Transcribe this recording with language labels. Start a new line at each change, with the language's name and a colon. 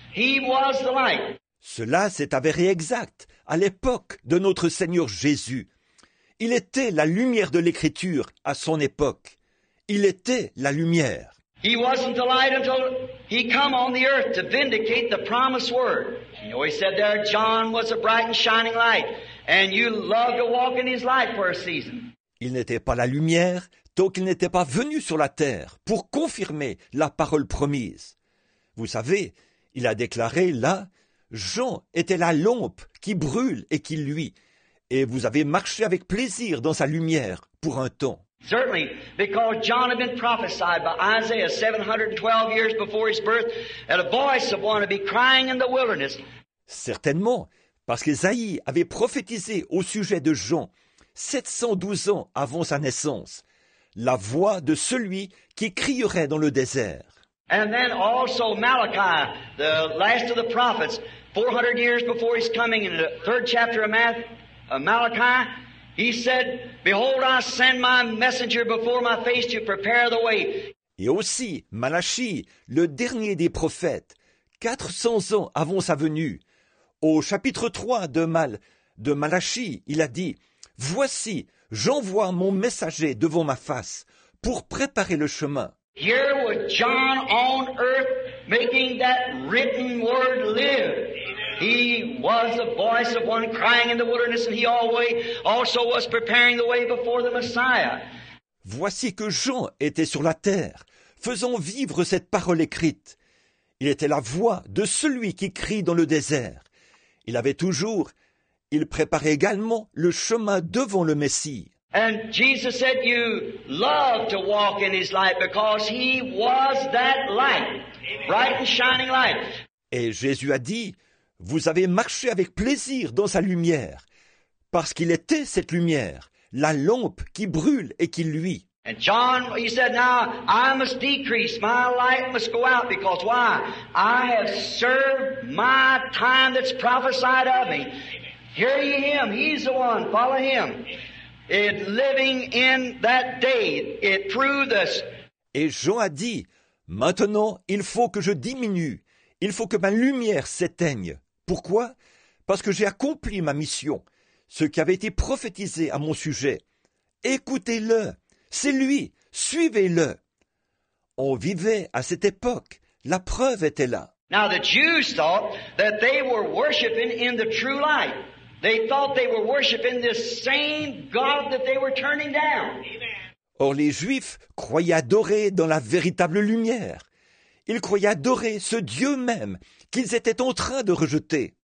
English: He was the light.
French: Cela s'est avéré exact à l'époque de notre Seigneur Jésus. Il était la lumière de l'Écriture à son époque. Il était la lumière.
English: He wasn't the light until he came on the earth to vindicate the promised word. You know, he said there, John was a bright and shining light, and you loved to walk in his light for a season.
French: Il n'était pas la lumière tant qu'il n'était pas venu sur la terre pour confirmer la parole promise. Vous savez, il a déclaré là, Jean était la lampe qui brûle et qui luit, et vous avez marché avec plaisir dans sa lumière pour un temps.
English: Certainly, because John had been prophesied by Isaiah 712 years before his birth, at a voice of one to be crying in the wilderness.
French: Certainement, parce qu'Ésaïe avait prophétisé au sujet de Jean 712 ans avant sa naissance, la voix de celui qui crierait dans le désert.
English: And then also Malachi, the last of the prophets, 400 years before his coming, in the third chapter of Malachi, he said, Behold, I send my messenger before my face to prepare the way.
French: Et aussi Malachi, le dernier des prophètes, 400 ans avant sa venue, au chapitre 3 de Malachi, il a dit, Voici, j'envoie mon messager devant ma face pour préparer le chemin.
English: Here was John on earth making that written word live. He was the voice of one crying in the wilderness, and he always also was preparing the way before the Messiah.
French: Voici que Jean était sur la terre, faisant vivre cette parole écrite. Il était la voix de celui qui crie dans le désert. Il préparait également le chemin devant le Messie.
English: And Jesus said you love to walk in his light because he was that light, bright and shining light.
French: Et Jésus a dit, vous avez marché avec plaisir dans sa lumière, parce qu'il était cette lumière, la lampe qui brûle et qui luit.
English: And John, he said, now I must decrease, my light must go out, because why? I have served my time that's prophesied of me. Hear ye him, he's the one, follow him. It living in that day, it proved us.
French: Et Jean a dit, maintenant il faut que je diminue. Il faut que ma lumière s'éteigne. Pourquoi? Parce que j'ai accompli ma mission, ce qui avait été prophétisé à mon sujet. Écoutez-le, c'est lui, suivez-le. On vivait à cette époque, la preuve était là.
English: Now the Jews thought that they were worshiping in the true light. They thought they were worshiping this same God that they were turning down.
French: Or les Juifs croyaient adorer dans la véritable lumière. Ils croyaient adorer ce Dieu même qu'ils étaient en train de rejeter.